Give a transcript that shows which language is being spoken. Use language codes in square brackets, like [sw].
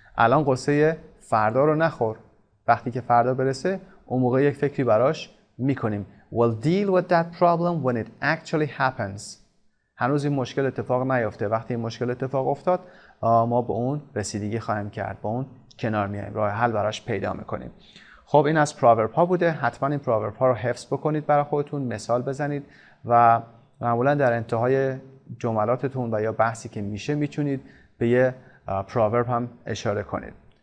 [fa] الان قصه فردا رو نخور، وقتی که فردا برسه اون موقع یک فکری براش میکنیم. [en] We'll deal with that problem when it actually happens. [fa] هنوز این مشکل اتفاق نیفته، وقتی این مشکل اتفاق افتاد ما به اون رسیدگی خواهیم کرد، با اون کنار میایم، راه حل براش پیدا میکنیم. خب این از پراورب ها بوده، حتما این پراورب ها رو حفظ بکنید برای خودتون، مثال بزنید و معمولا در انتهای جملاتتون و یا بحثی که میشه میتونید به یه پراورب هم اشاره کنید.